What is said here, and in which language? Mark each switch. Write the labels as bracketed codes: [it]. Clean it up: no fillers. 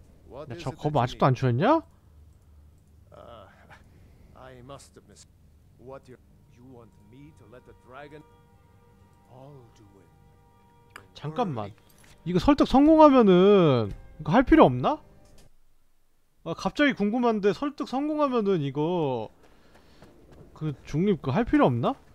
[ko] 야, 저 거 뭐 아직도 안 죽었냐? [en] Must have missed. What do you want me to let the dragon? I'll do it. [ko] 잠깐만. 이거 설득 성공하면은 이거 할 필요 없나? 아 갑자기 궁금한데 설득 성공하면은 이거 그 중립 그 할 필요 없나?